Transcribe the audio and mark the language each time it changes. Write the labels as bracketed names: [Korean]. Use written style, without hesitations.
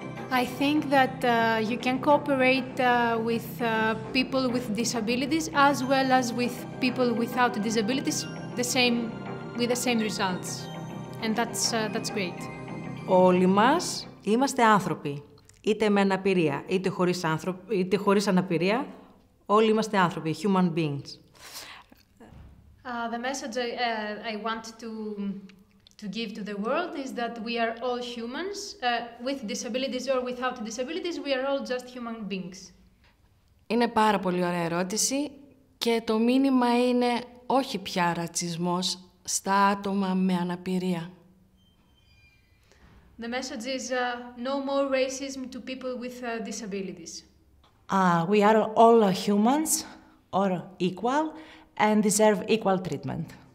[English] I think that you can cooperate with people with disabilities as well as with people without disabilities, the same, with the same results, and that's great. [Greek] Όλοι μας είμαστε άνθρωποι, είτε με αναπηρία, είτε χωρίς άνθρωποι, είτε χωρίς αναπηρία, όλοι είμαστε άνθρωποι, [English] human beings. The message I want to give to the world is that we are all humans, with disabilities or without disabilities, we are all just human beings. [Greek] Είναι πάρα πολύ ωραία ερώτηση και το μήνυμα είναι όχι πια ρατσισμός στα άτομα με αναπηρία. [English] The message is no more racism to people with disabilities. We are all humans or equal and deserve equal treatment.